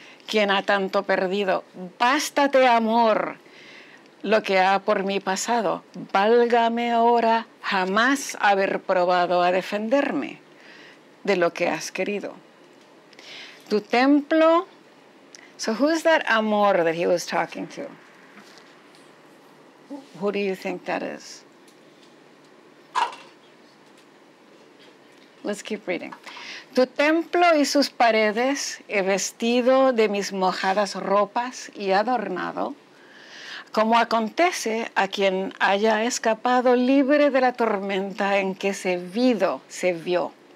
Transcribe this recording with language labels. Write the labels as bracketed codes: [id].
[es] Quien ha tanto perdido, bástate amor, lo que ha por mí pasado, válgame ahora jamás haber probado a defenderme de lo que has querido. Tu templo. [en] So who's that amor that he was talking to? Who do you think that is? Well, Let's keep reading. [es] Tu templo y sus paredes, he vestido de mis mojadas ropas y adornado, como acontece a quien haya escapado libre de la tormenta en que se vio.